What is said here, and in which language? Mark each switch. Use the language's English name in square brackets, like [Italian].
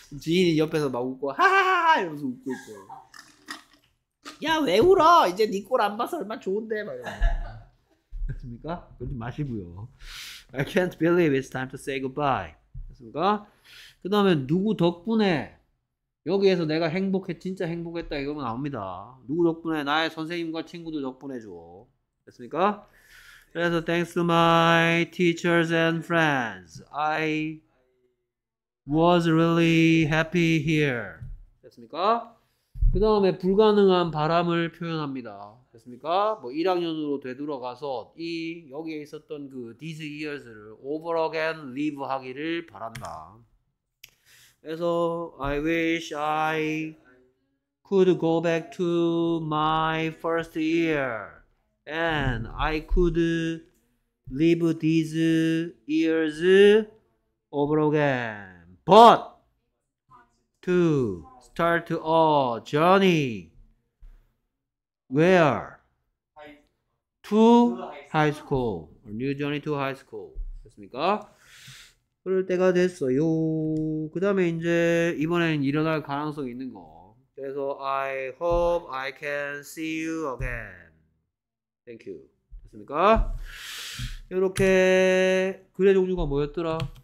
[Korean] 지인이 옆에서 막 웃고 하하하 이러면서 웃고 있고. 야 왜 울어? 이제 네 꼴 안 봐서 얼마나 좋은데 막 됐습니까? 그러지 마시고요. [English] I can't believe it's time to say goodbye. [Korean] 됐습니까? 그 다음에 누구 덕분에 여기에서 내가 행복해 진짜 행복했다 이거면 나옵니다. 누구 덕분에 나의 선생님과 친구들 덕분에 줘. 됐습니까? [English] 그래서 thanks to my teachers and friends I was really happy here. [Korean] 됐습니까? 그 다음에 불가능한 바람을 표현합니다. 됐습니까? 뭐 1학년으로 되돌아가서 이 여기에 있었던 그 [English] these years [Korean] 를 [English] over again live [Korean] 하기를 바란다. [English] 그래서 I wish I could go back to my first year and I could live these years over again. But to start a journey where? To high school. A new journey to high school. [Korean] 됐습니까? 그럴 때가 됐어요. 그 다음에 이제 이번엔 일어날 가능성이 있는 거. [English] 그래서 I hope I can see you again. Thank you. [Korean] 됐습니까? 이렇게 글의 종류가 뭐였더라?